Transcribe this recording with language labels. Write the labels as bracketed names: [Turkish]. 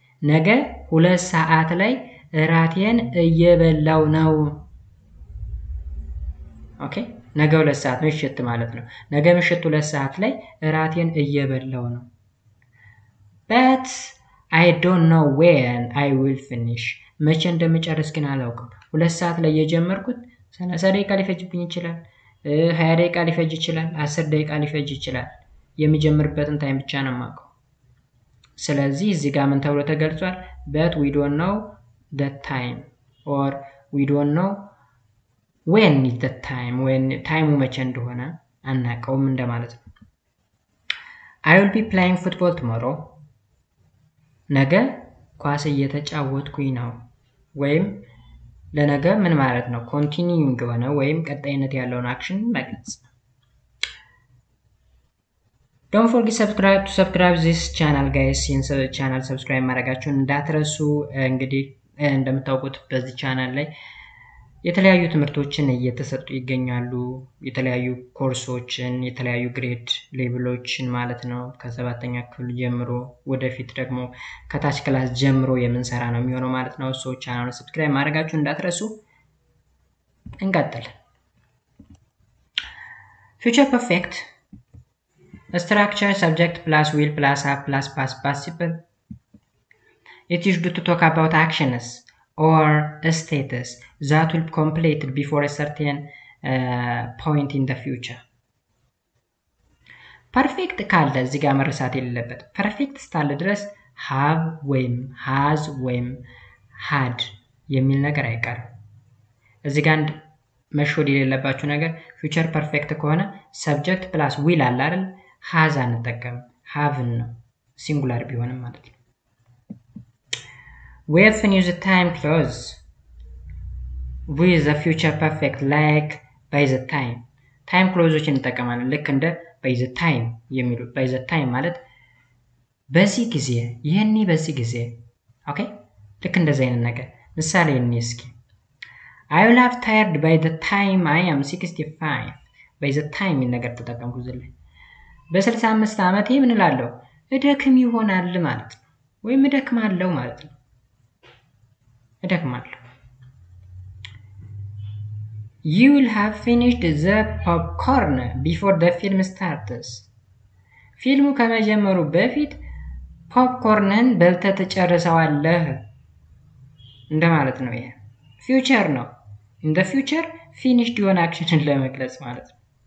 [Amharic] ነገ 2 ሰዓት ላይ እራቴን እየበላው ነው። ኦኬ ነገ 2 ሰዓት ምሽት ማለት ነው። ነገ ምሽት 2 ሰዓት ላይ እራቴን እየበላው ነው። [English] But I don't know when I will finish. [Amharic] መቼ እንደምጨርስ ግን አላውቅም። 2 ሰዓት ላይ የጀመርኩት 30 ደቂቃ ሊፈጅብኝ ይችላል፣ 20 ደቂቃ ሊፈጅ ይችላል፣ 10 ደቂቃ ሊፈጅ ይችላል። የሚጀምርበትን ታይም ብቻ ነው የማውቀው። ስለዚህ እዚህ ጋር ምን ተብሎ ተገልጿል? [English] But we don't know the time or we don't know when is the time when time [Amharic] መቼ እንደሆነ አናውቀውም እንደማለት ነው። [English] I will be playing football tomorrow. [Amharic] ነገ ኳስ እየተጫወትኩኝ ነው ወይም ለነገ ምን ማለት ነው? [English] continuing [Amharic] የሆነ ወይም ቀጣይነት ያለውን [English] action [Amharic] መግለጽ። [English] Don't forget to subscribe this channel guys. since the channel [Amharic] subscribe ማድረጋችሁን እንዳትረሱ። እንግዲህ እንደምታውቁት በዚህ ቻናል ላይ የተለያዩ ትምህርቶችን እየተሰጡ ይገኛሉ። የተለያዩ ኮርሶችን፣ የተለያዩ ግሬድ ሌቭሎችን ማለት ነው። ከ7ኛ ክፍል ጀምሮ ወደፊት ደግሞ ከታች ክላስ ጀምሮ የምንሰራ ነው የሚሆነው ማለት ነው። ሶ ቻናሉን ሰብስክራይብ ማድረጋችሁ እንዳትረሱ። እንቀጥል። [English] ፊውቸር ፐርፌክት ስትራክቸር ሰብጀክት ፕላስ ዊል ፕላስ ሃቭ ፕላስ ፓስት ፓርቲሲፕል ኢት ኢዝ ዱ ቱ ቶክ አባውት አክሽንስ or a status that will be completed before a certain point in the future. [Amharic] Perfect ካለ እዚህ ጋር መረሳት የለበት። Perfect ስታለ ድረስ have ወይም has ወይም had የሚል ነገር አይቀርም። እዚህ ጋር መሾድ የሌለባችሁ ነገር future perfect ከሆነ [English] subject plus will [Amharic] አለ አይደል? [English] has [Amharic] አንጠቀም፣ [English] have ነው singular [Amharic] ቢሆንም ማለት ነው። [English] We have to use the time clause with the future perfect like by the time. [Amharic] Time clause-ዎችን እንጠቀማለን ልክ እንደ by the time የሚሉ by the time ማለት በዚህ ጊዜ ይሄኔ በዚህ ጊዜ ኦኬ ልክ እንደዛ አይነት ነገር مثالي النسكي: [English] I will have tired by the time I am 65. [Amharic] by the time ነገር ተጠቀምኩ ዘለ በስልሳ አምስት ዓመቴ ምን እላለሁ? እደክም ይሆናል ማለት ነው፣ ወይም እደክማለሁ ማለት ነው። እደክማለሁ። [English] You will have finished the popcorn before the film starts. [Amharic] ፊልሙ ከመጀመሩ በፊት ፖፕኮርንን በልተህ ትጨርሰዋለህ እንደማለት ነው። ይሄ ፊውቸር ነው። [English] ኢን ዘ ፊውቸር ፊኒሽድ ዩን አክሽንን [Amharic] ለመግለጽ ማለት ነው።